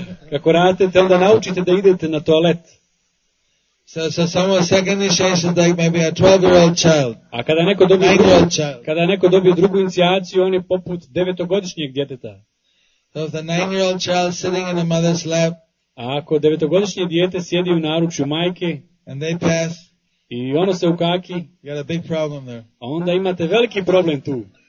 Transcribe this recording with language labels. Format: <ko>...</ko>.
<hr>Kako rastete, onda naučite da idete na toalet.</hr> <en>So someone second initiation is like maybe a 12-year-old child.</en> <hr>A kada neko dobije drugu inicijaciju, on je poput devetogodišnjeg djeteta.</hr> <en>So if the 9-year-old child sitting in the mother's lap,</en> <hr>a ako devetogodišnje dijete sjedi u naručju majke,</hr> <en>and they pass,</en> <hr>i ono se ukaki,</hr> <en>you got a big problem there.</en> <hr>A onda imate veliki problem tu.</hr>